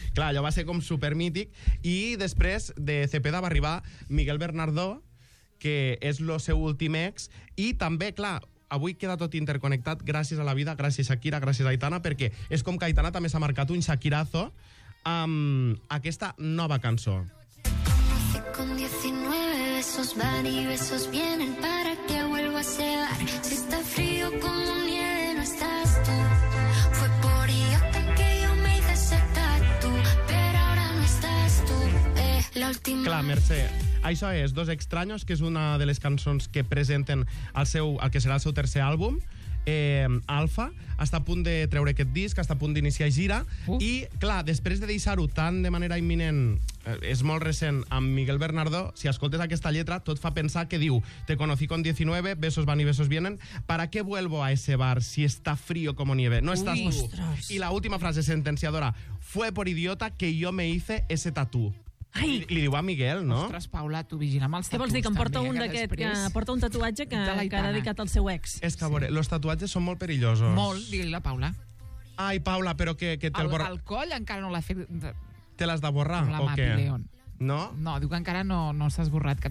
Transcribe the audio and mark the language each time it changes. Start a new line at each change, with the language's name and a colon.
Catalan: Clar, allò va ser com supermític. I després de Cepeda va arribar Miguel Bernardo, que és el seu últim ex, i també, clar... Avui queda tot interconnectat gràcies a la vida, gràcies a Shakira, gràcies a Aitana, perquè és com que Aitana també s'ha marcat un Shakirazo amb aquesta nova cançó.
Spanish: Con 19 besos van y besos vienen para que vuelva a cebar. Si está frío como nieve, no estás tú. Fue por ello que yo me hice ese tatu, pero ahora no estás tú. La última...
Catalan: Clar, Mercè. Això és Dos Extraños, que és una de les cançons que presenten el que serà el seu tercer àlbum, Alfa. Està a punt de treure aquest disc, està a punt d'iniciar gira. I, clar, després de deixar-ho tan de manera imminent, és molt recent, amb Miguel Bernardo, si escoltes aquesta lletra, tot fa pensar que diu:
Spanish: "Te conocí con 19, besos van y besos vienen, ¿para qué vuelvo a ese bar si está frío como nieve? No estás tú".
Catalan: I la última frase sentenciadora:
Spanish: "Fue por idiota que yo me hice ese tatú".
Catalan: Li diu a Miguel, no? Ostres, Paula, tu vigila amb els tatuatges. Què vols dir, que em porta un d'aquest, que porta un tatuatge que ha dedicat al seu ex? És que, a veure, els tatuatges són molt perillosos. Molt, digui-li a Paula. Ai, Paula, però que te'l borra... El coll encara no l'ha fet... Te l'has de borrar, o què? No? No, diu que encara no s'ha esborrat.